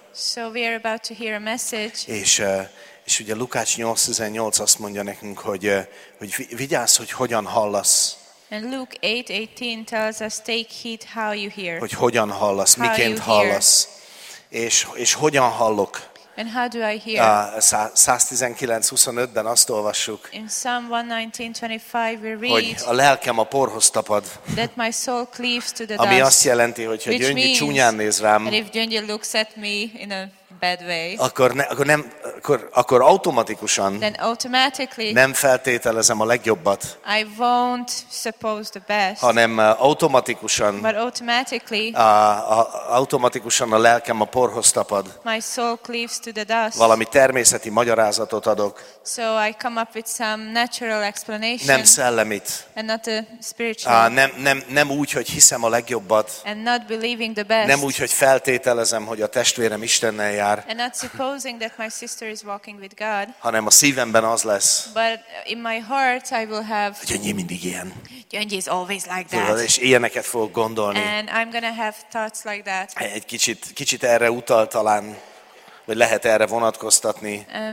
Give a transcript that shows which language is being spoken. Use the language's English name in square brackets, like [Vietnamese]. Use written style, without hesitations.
[English] So we are about to hear a message. [Hungarian] És ugye Lukács 8:18 azt mondja nekünk, hogy vigyázz, hogy hogyan hallasz. [English] And Luke 8:18 tells us take heed how you hear. [Hungarian] Hogy hogyan hallasz, miként hallasz. És hogyan hallok? [English] And how do I hear? [Hungarian] 119:25-ben azt olvassuk. [English] In Psalm 119:25 we read. [Hungarian] Hogy a lelkem a porhoz tapad. [English] That my soul cleaves to the dust. [Hungarian] Ami azt jelenti, hogy ha Gyöngyi csúnyán néz rám. [English] And if Gyöngyi looks at me in a bad way. [Hungarian] Akkor automatikusan. [English] Then automatically. [Hungarian] Nem feltételezem a legjobbat. [English] I won't suppose the best. [Hungarian] Hanem automatikusan. [English] But automatically. [Hungarian] Automatikusan a lelkem a porhoz tapad. [English] My soul cleaves to the dust. [Hungarian] Valami természeti magyarázatot adok. [English] So I come up with some natural explanation. [Hungarian] Nem szellemit. [English] And not a spiritual. [Hungarian] Nem úgy, hogy hiszem a legjobbat. [English] And not believing the best. [Hungarian] Nem úgy, hogy feltételezem, hogy a testvérem Istennel jár. [English] And not supposing that my sister is walking with God. [Hungarian] Hanem a szívemben az lesz. [English] But in my heart I will have. [Hungarian] Gyöngyi mindig ilyen. [English] Gyöngyi is always like that. [Hungarian] És ilyeneket fogok gondolni. [English] And I'm gonna have thoughts like that. [Hungarian] Egy kicsit erre utal talán. Vagy lehet erre vonatkoztatni.